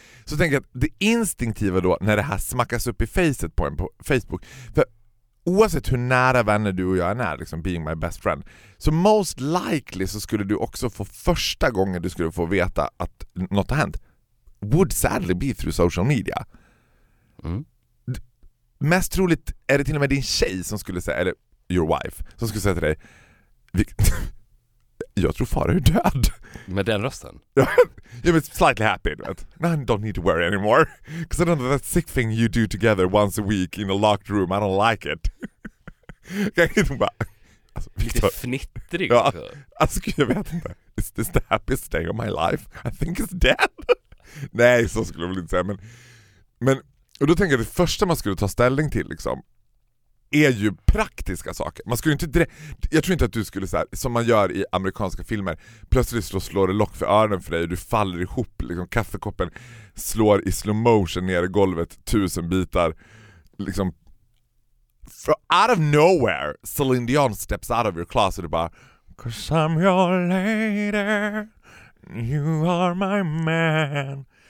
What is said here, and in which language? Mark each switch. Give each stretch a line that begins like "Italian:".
Swedish: Så tänker jag att det instinktiva då när det här smackas upp i facet på en på Facebook, för oavsett hur nära vänner du och jag är när, liksom
English: being my best friend,
Swedish: så
English: most likely
Swedish: så skulle du också få första gången du skulle få veta att något har hänt
English: would sadly be through social media.
Swedish: Mest troligt är det till och med din tjej som skulle säga, eller
English: your wife
Swedish: som skulle säga till dig, jag tror far är död. Med den rösten. Jag är
English: slightly happy. But I don't need to worry anymore. Because I don't know that sick thing you do together once a week in a locked room. I don't like it.
Swedish: Lite fnittrig. Ja, alltså, jag vet inte.
English: Is this the happiest day of my life? I think it's dead.
Swedish: Nej, så skulle jag väl inte säga. Men och då tänker jag att det första man skulle ta ställning till liksom är ju praktiska saker. Man skulle inte jag tror inte att du skulle så här, som man gör i amerikanska filmer, plötsligt slår det lock för öronen för dig och du faller ihop liksom, kaffekoppen slår i slow motion ner i golvet 1000 bitar liksom,
English: out of nowhere Celine Dion steps out of your closet
Swedish: och bara,
English: 'cause I'm your lady, you are my man.